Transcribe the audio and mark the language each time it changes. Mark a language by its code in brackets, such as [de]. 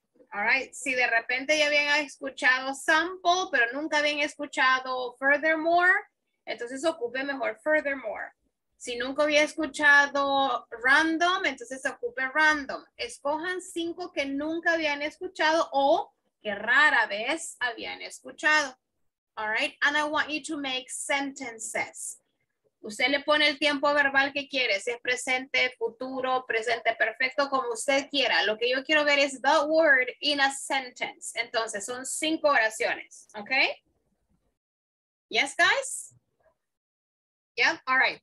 [es] All right, si de repente ya habían escuchado sample, pero nunca habían escuchado furthermore, entonces ocupe mejor furthermore. Si nunca había escuchado random, entonces ocupe random. Escojan 5 que nunca habían escuchado o que rara vez habían escuchado. [en] All right, and I want you to make sentences. [es] Usted le pone el tiempo verbal que quiere, si es presente, futuro, presente, perfecto, como usted quiera. Lo que yo quiero ver es [en] the word in a sentence. [es] Entonces, son 5 oraciones, ¿ok? [en] Yes, guys? Yep, all right.